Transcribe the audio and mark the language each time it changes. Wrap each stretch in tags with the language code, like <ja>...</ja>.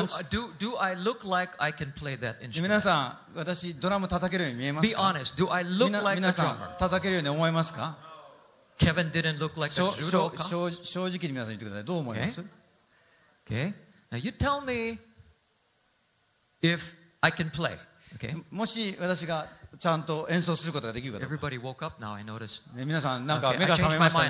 <en>Do I look like I can play that instrument?</en> <ja>皆さん、私、ドラム叩けるように見えますか?</ja> <en>Be honest. Do I look like a drummer?</en> <ja>皆さん、叩けるように思えますか?</ja> <en>Kevin didn't look like a judoka.</en> <ja>正直に皆さん言ってください。どう思います?</ja> <en>Okay. Now you tell me if I can play. Okay.</en> <ja>もし私がちゃんと演奏することができるかどうか。</ja> <en>Everybody woke up now. I noticed.</en> <ja>皆さんなんか目が覚めましたね。</ja>